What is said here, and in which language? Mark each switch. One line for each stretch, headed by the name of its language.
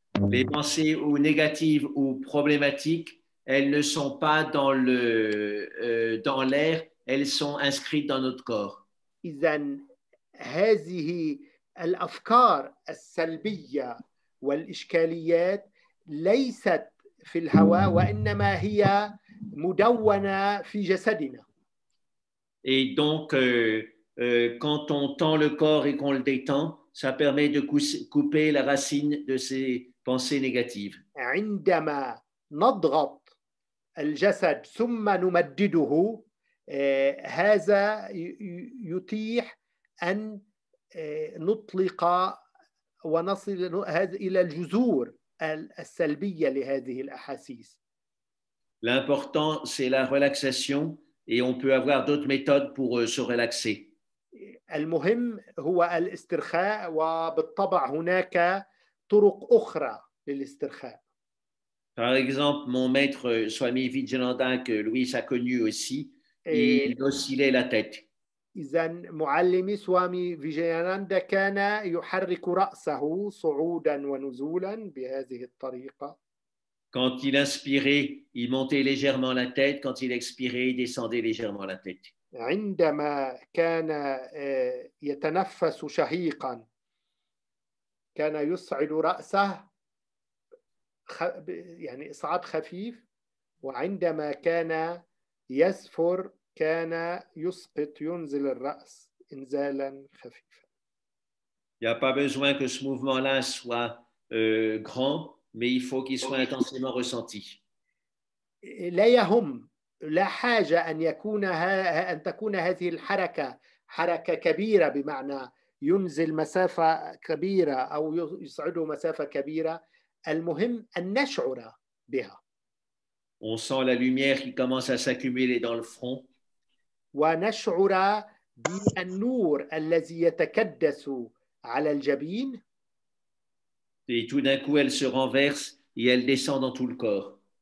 French: Les pensées ou négatives ou problématiques, elles ne sont pas dans le dans l'air, elles sont inscrites dans notre corps.
Arabic: إذن هذه الأفكار السلبية والإشكاليات ليست في الهواء وإنما هي مدونة في جسدنا.
French: Et donc quand on tend le corps et qu'on le détend, ça permet de couper la racine de ces pensées négatives.
Arabic: عندما نضغط الجسد ثم نمدده هذا يتيح أن نطلق ونصل إلى الجذور السلبية لهذه الأحاسيس.
French: L'important c'est la relaxation et on peut avoir d'autres méthodes pour se relaxer.
Arabic: المهم هو الاسترخاء وبالطبع هناك طرق أخرى للاسترخاء.
French: Par exemple, mon maître Swami Vijayananda que Louis a connu aussi. Il oscillait la tête.
Arabic: إذن معلمي سوامي فيجياناندا كان يحرك رأسه صعودا ونزولا بهذه الطريقة.
French: Quand il inspirait, il montait légèrement la tête. Quand il expirait, il descendait légèrement la tête.
Arabic: عندما كان يتنفس شهيقا كان يصعد رأسه يعني إصعاد خفيف وعندما كان يسفر كان يسقط ينزل الرأس إنزالا خفيفا.
French: Il n'y a pas besoin que ce mouvement-là soit grand, mais il faut qu'il soit intensément ressenti.
Arabic: لا يهم لا حاجة أن يكون أن تكون هذه الحركة حركة كبيرة بمعنى ينزل مسافة كبيرة أو يصعد مسافة كبيرة. المهم أن نشعر بها.
French: On sent la lumière qui commence à s'accumuler dans le front.
Arabic: ونشعر بالنور الذي يتكدس على الجبين.
French: Et tout d'un coup, elle se renverse et elle descend dans tout le corps.